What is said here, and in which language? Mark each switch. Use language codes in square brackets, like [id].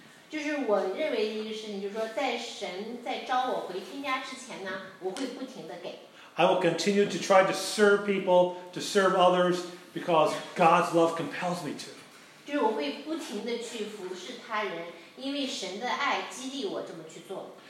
[zh] 就是我认为的一个事情，就是说在神在召我回天家之前呢，我会不停的给。 [en] I will continue to try to serve people, to serve others, because God's love compels me to. [zh] 就是我会不停的去服侍他人，因为神的爱激励我这么去做。